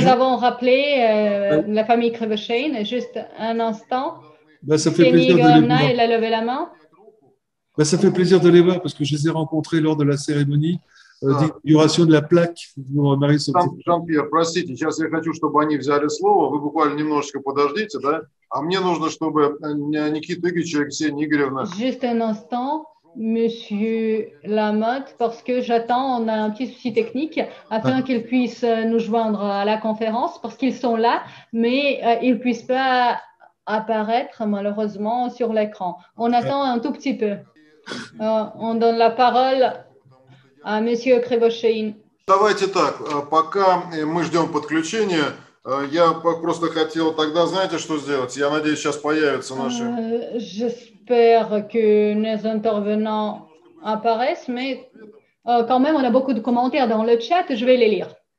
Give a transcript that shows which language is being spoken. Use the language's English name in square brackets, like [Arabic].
[French] Nous avons rappelé la famille Krivoshein. Juste un instant. Ksenia a levé la main. Ça fait plaisir de les voir parce que je les ai rencontrés lors de la cérémonie d'inauguration de la plaque. [Russian] Jean-Pierre, простите, сейчас я хочу, чтобы они взяли слово. Вы буквально немножечко подождите, да? А мне нужно, чтобы Никита Игоревич и Ксения Игоревна... [French] Juste un instant, monsieur Lamotte, parce que j'attends, on a un petit souci technique, afin qu'ils puissent nous joindre à la conférence, parce qu'ils sont là, mais ils ne puissent pas apparaître, malheureusement, sur l'écran. On attend un tout petit peu. On donne la parole à monsieur Krivoshein. [Russian] Давайте так, пока мы ждем подключения, я просто хотел тогда, знаете, что сделать? Я надеюсь, сейчас появятся наши... [French] J'espère que nos intervenants apparaissent, mais quand même, on a beaucoup de commentaires dans le chat, je vais les lire.